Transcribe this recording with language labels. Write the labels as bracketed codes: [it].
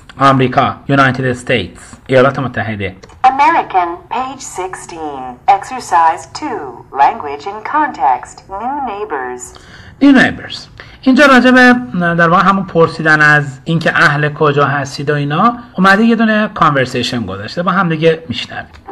[fa] آمریکا، United States ایالات متحده. [en] American page 16 exercise 2 language in context new neighbors [fa] اینجا راجع به در واقع همون پرسیدن از اینکه اهل کجا هستید و اینا اومده یه دونه کانورسیشن گذاشته با هم دیگه میشنویم.